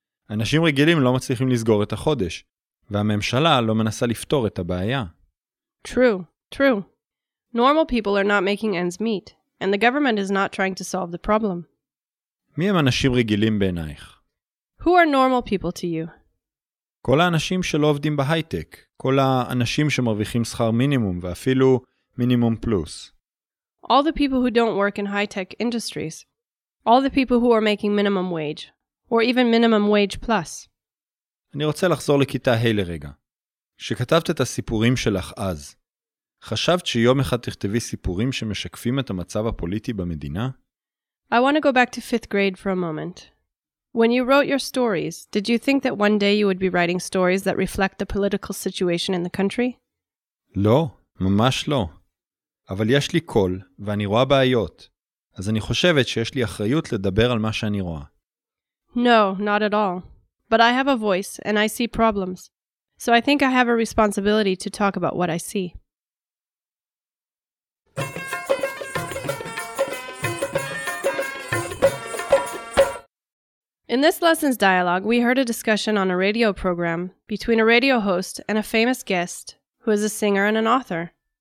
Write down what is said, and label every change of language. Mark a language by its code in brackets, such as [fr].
[he] אנשים רגילים לא מצליחים לסגור את החודש, והממשלה לא מנסה לפתור את הבעיה. [en] True. Normal people are not making ends meet, and the government is not trying to solve the problem. [he] מי הם אנשים רגילים בעינייך? [en] Who are normal people to you? [he] כל האנשים שלא עובדים בהייטק, כל האנשים שמרוויחים שכר מינימום ואפילו מינימום פלוס. [en] All the people who don't work in high-tech industries. All the people who are making minimum wage or even minimum wage plus. [he] אני רוצה לחזור לכיתה ה' לרגע. כשכתבת את הסיפורים שלך אז, חשבת שיום אחד תכתבי סיפורים שמשקפים את המצב הפוליטי במדינה? [en] I want to go back to fifth grade for a moment. When you wrote your stories, did you think that one day you would be writing stories that reflect the political situation in the country? [he] לא, ממש לא. אבל יש לי קול ואני רואה בעיות, אז אני חושבת שיש לי אחריות לדבר על מה שאני רואה. [en] No, not at all. But I have a voice and I see problems. So I think I have a responsibility to talk about what I see. In this lesson's dialogue, we heard a discussion on a radio program between a radio host and a famous guest who is a singer and an author.